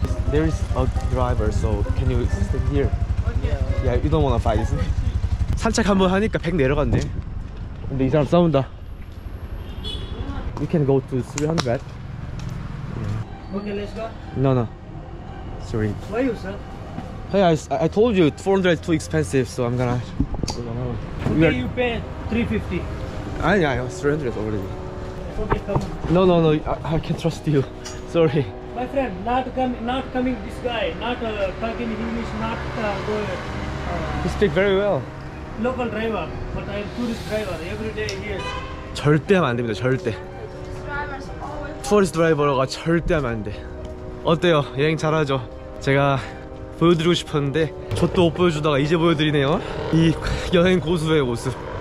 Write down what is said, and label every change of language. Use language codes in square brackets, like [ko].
[en] There is a driver, so can you stay here? Yeah, you don't wanna fight, isn't it? [ko] 산책 한번 하니까 100 내려갔네. 근데 이 사람 싸운다. [en] You can go to 300. Okay, let's go. No. Sorry. Why you, sir? Hey, I told you 400 is too expensive, so I'm gonna... Okay, you pay 350. [ko] 아니, 아니, 300 [en] already. Okay, come on. No, I can't trust you. Sorry. My friend, not coming this guy, not talking English, not going. He speak very well. Local driver, but I'm tourist driver, every day here. [ko] 절대 하면 안 됩니다, 절대. Tourist driver가 절대 하면 안 돼. 어때요? 여행 잘하죠? 제가 보여드리고 싶었는데 저 또 못 보여주다가 이제 보여드리네요. 이 여행 고수의 모습.